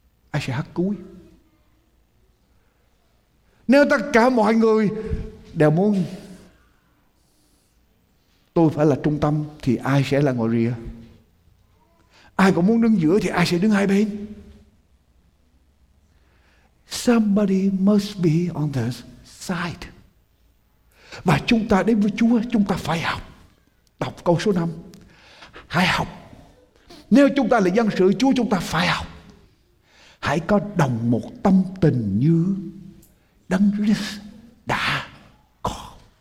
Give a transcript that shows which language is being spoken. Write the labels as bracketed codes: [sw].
[vi] Ai sẽ hát cuối? Nếu tất cả mọi người đều muốn tôi phải là trung tâm thì ai sẽ là ngồi rìa? Ai cũng muốn đứng giữa thì ai sẽ đứng hai bên? [en] Somebody must be on the side. [vi] Và chúng ta đến với Chúa, chúng ta phải học. Đọc câu số 5. Hãy học. Nếu chúng ta là dân sự Chúa, chúng ta phải học. Hãy có đồng một tâm tình như Đấng Christ đã có.